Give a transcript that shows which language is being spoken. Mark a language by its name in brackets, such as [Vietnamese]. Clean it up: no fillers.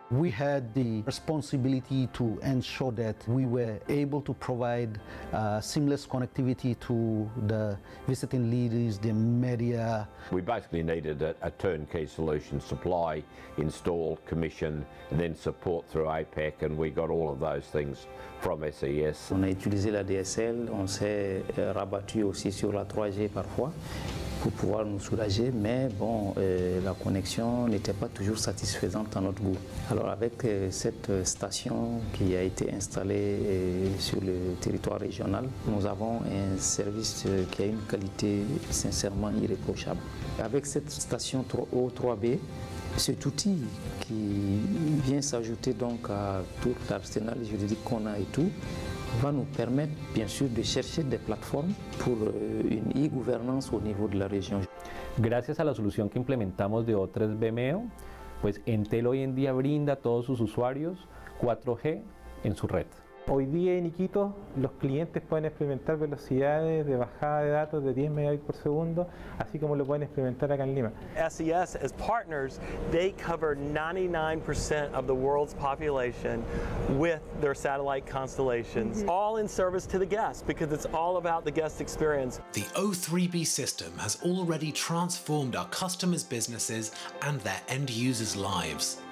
[English] We had the responsibility to ensure that we were able to provide seamless connectivity to the visiting leaders, the media. We basically needed a turnkey solution: supply, install, commission, and then support through APEC, and we got all of those things from SES. [French] On a utilisé la DSL, on s'est rabattu aussi sur la 3G parfois pour pouvoir nous soulager, mais bon, la connexion n'était pas toujours satisfaisante à notre goût. Alors avec cette station qui a été installée sur le territoire régional, nous avons un service qui a une qualité sincèrement irréprochable. Avec cette station 3O3B, cet outil qui vient s'ajouter donc à tout l'arsenal juridique qu'on a et tout, va nous permettre bien sûr de chercher des plateformes pour une e-gouvernance au niveau de la région. [Spanish] Gracias a la solución que implementamos de O3 BMEO, pues Entel hoy en día brinda a todos sus usuarios 4G en su red. Hoy día en Iquitos los clientes pueden experimentar velocidades de bajada de datos de 10 megabits por segundo, así como lo pueden experimentar acá en Lima. [English] SES, as partners, they cover 99% of the world's population with their satellite constellations, all in service to the guests, because it's all about the guest experience. The O3B system has already transformed our customers' businesses and their end users' lives.